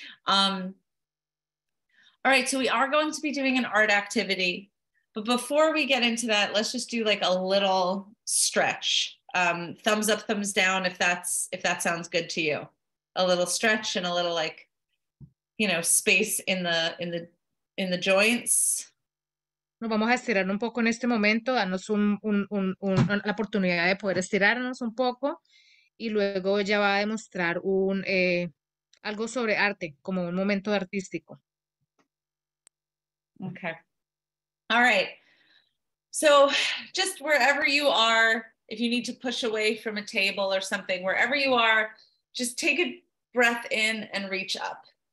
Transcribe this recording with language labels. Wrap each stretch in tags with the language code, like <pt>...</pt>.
<en>All right, so we are going to be doing an art activity, but before we get into that, let's just do like a little stretch. Thumbs up, thumbs down, if that sounds good to you. A little stretch and a little like, you know, space in the joints.</en> <es>Nos vamos a estirar un poco en este momento, darnos la oportunidad de poder estirarnos un poco, y luego ella va a demostrar algo sobre arte, como un momento artístico.</es> <en>Okay. All right. So just wherever you are, if you need to push away from a table or something, wherever you are, just take a breath in and reach up.</en>